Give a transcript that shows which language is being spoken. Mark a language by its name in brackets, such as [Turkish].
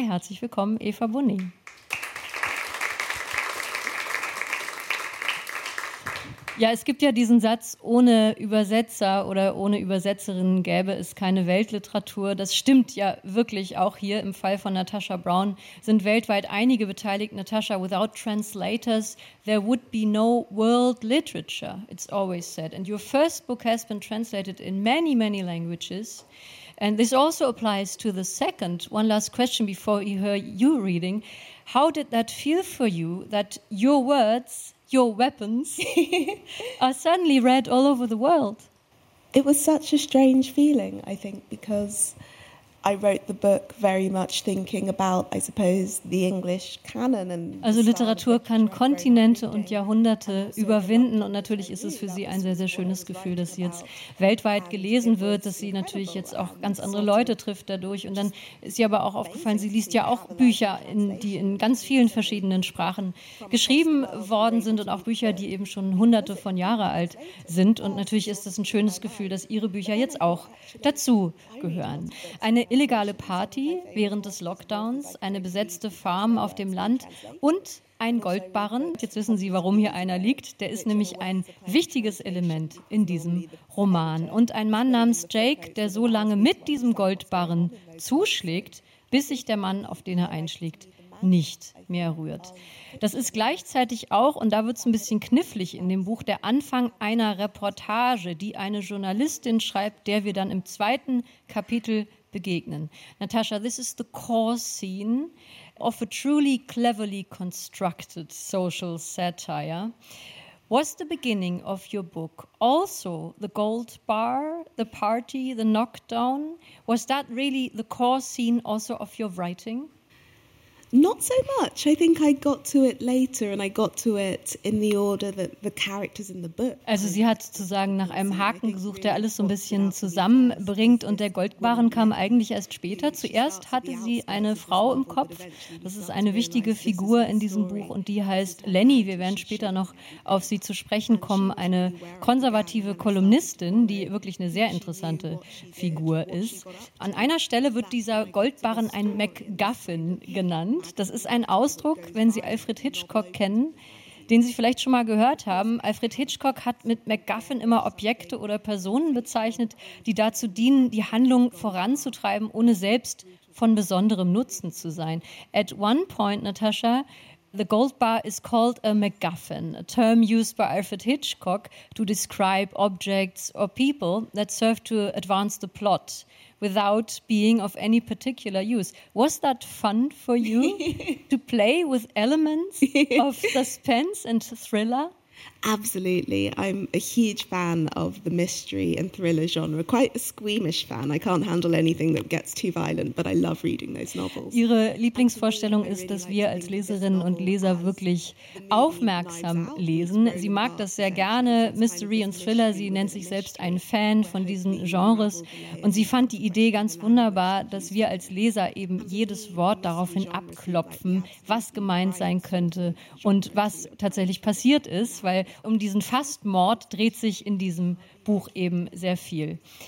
[German] Herzlich willkommen, Eva Bonnet. Ja, es gibt ja diesen Satz, ohne Übersetzer oder ohne Übersetzerin gäbe es keine Weltliteratur. Das stimmt ja wirklich auch hier im Fall von Natasha Brown. Sind weltweit einige beteiligt. [English] Natasha, without translators, there would be no world literature, it's always said. And your first book has been translated in many, many languages. And this also applies to the second. One last question before you hear you reading. How did that feel for you, that your words, your weapons, are suddenly read all over the world? It was such a strange feeling, I think, because I wrote the book very much thinking about, I suppose, the English canon. And [German] also Literatur kann Kontinente und Jahrhunderte überwinden, und natürlich ist es für Sie ein sehr, sehr schönes Gefühl, dass sie jetzt weltweit gelesen wird, dass sie natürlich jetzt auch ganz andere Leute trifft dadurch. Und dann ist sie aber auch aufgefallen, sie liest ja auch Bücher, die in ganz vielen verschiedenen Sprachen geschrieben worden sind, und auch Bücher, die eben schon hunderte von Jahren alt sind. Und natürlich ist es ein schönes Gefühl, dass ihre Bücher jetzt auch dazu gehören. Eine illegale Party während des Lockdowns, eine besetzte Farm auf dem Land und ein Goldbarren. Jetzt wissen Sie, warum hier einer liegt. Der ist nämlich ein wichtiges Element in diesem Roman. Und ein Mann namens Jake, der so lange mit diesem Goldbarren zuschlägt, bis sich der Mann, auf den er einschlägt, nicht mehr rührt. Das ist gleichzeitig auch, und da wird es ein bisschen knifflig in dem Buch, der Anfang einer Reportage, die eine Journalistin schreibt, der wir dann im zweiten Kapitel begegnen. [English] Natasha, this is the core scene of a truly cleverly constructed social satire. Was the beginning of your book also the gold bar, the party, the knockdown? Was that really the core scene also of your writing? Not so much. I think I got to it later and I got to it in the order that the characters in the book. [German] Also sie hat sozusagen nach einem Haken gesucht, der alles so ein bisschen zusammenbringt, und der Goldbarren kam eigentlich erst später. Zuerst hatte sie eine Frau im Kopf, das ist eine wichtige Figur in diesem Buch, und die heißt Lenny. Wir werden später noch auf sie zu sprechen kommen, eine konservative Kolumnistin, die wirklich eine sehr interessante Figur ist. An einer Stelle wird dieser Goldbarren ein MacGuffin genannt. Das ist ein Ausdruck, wenn Sie Alfred Hitchcock kennen, den Sie vielleicht schon mal gehört haben. Alfred Hitchcock hat mit MacGuffin immer Objekte oder Personen bezeichnet, die dazu dienen, die Handlung voranzutreiben, ohne selbst von besonderem Nutzen zu sein. [English] At one point, Natasha, the gold bar is called a MacGuffin, a term used by Alfred Hitchcock to describe objects or people that serve to advance the plot without being of any particular use. Was that fun for you to play with elements of suspense and thriller? Absolutely. I'm a huge fan of the mystery and thriller genre. Quite a squeamish fan. I can't handle anything that gets too violent, but I love reading those novels. [German] Ihre Lieblingsvorstellung ist, dass wir als Leserinnen und Leser wirklich aufmerksam lesen. Sie mag das sehr gerne, Mystery und Thriller. Sie nennt sich selbst ein Fan von diesen Genres. Und sie fand die Idee ganz wunderbar, dass wir als Leser eben jedes Wort daraufhin abklopfen, was gemeint sein könnte und was tatsächlich passiert ist, weil um diesen Fastmord dreht sich in diesem Buch eben sehr viel.